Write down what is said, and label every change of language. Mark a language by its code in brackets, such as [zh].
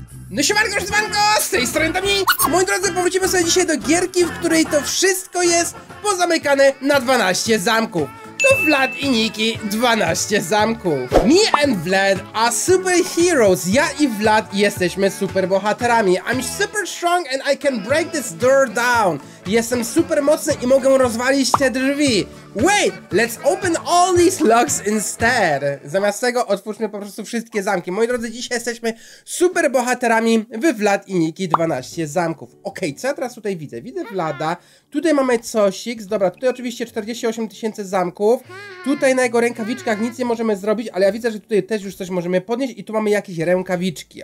[pl] No siemanko, szwanko, z tej strony Dominik! Moi drodzy, powrócimy sobie dzisiaj do gierki, w której to wszystko jest pozamykane na 12 zamków. To Vlad i Niki, 12 zamków. [en] Me and Vlad are superheroes. [pl] Ja i Vlad jesteśmy superbohaterami. [en] I'm super strong and I can break this door down. [pl] Jestem super mocny i mogę rozwalić te drzwi. [en] Wait, let's open all these locks instead. [pl] Zamiast tego otwórzmy po prostu wszystkie zamki. Moi drodzy, dzisiaj jesteśmy super bohaterami w Vlad i Niki 12 zamków. Okej, co ja teraz tutaj widzę? Widzę Vlada. Tutaj mamy cosiks. Dobra, tutaj oczywiście 48 tysięcy zamków. Tutaj na jego rękawiczkach nic nie możemy zrobić, ale ja widzę, że tutaj też już coś możemy podnieść i tu mamy jakieś rękawiczki.